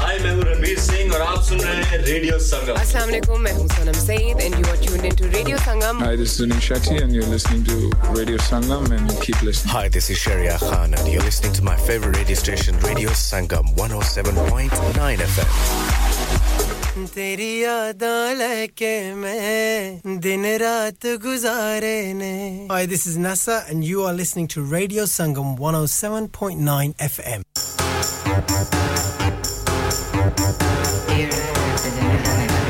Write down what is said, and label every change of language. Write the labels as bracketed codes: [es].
[hi] Hi, main hu Ranveer Singh, aur aap sun rahe hain Radio Sangam. [en] Assalamu alaikum, [hi] main hu [en] Sanam Saeed, and you are tuned into Radio Sangam. Hi, this is Anish Shetty, and you're listening to Radio Sangam, and keep listening. Hi, this is Sharia Khan, and you're listening to my favorite radio station, Radio Sangam 107.9 FM. [hi] तेरी यादा लेके मैं दिन रात गुजारे ने [en] Hi, this is NASA and you are listening to Radio Sangam 107.9 FM.